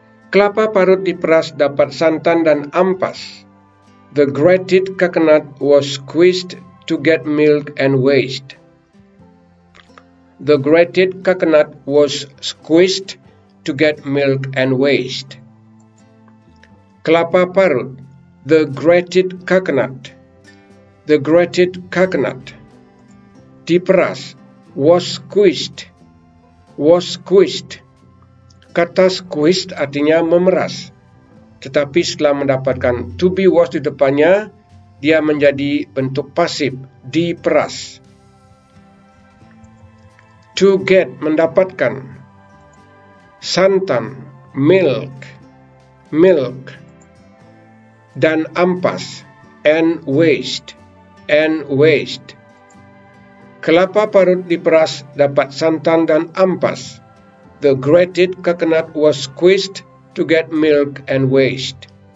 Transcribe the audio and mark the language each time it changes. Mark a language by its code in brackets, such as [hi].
[id] Kelapa parut diperas dapat santan dan ampas. [en] The grated coconut was squeezed to get milk and waste. The grated coconut was squeezed to get milk and waste. [id] Kelapa parut, [en] the grated coconut. The grated coconut. [id] Diperas, [en] was squeezed. Was squeezed. [id] Kata squeezed artinya memeras. Tetapi setelah mendapatkan to be was di depannya, dia menjadi bentuk pasif, diperas. [en] To get, [id] mendapatkan. [en] Santan, milk, milk. [id] Dan ampas, [en] and waste, and waste. [id] Kelapa parut diperas dapat santan dan ampas. [en] The grated coconut was squeezed to get milk and waste.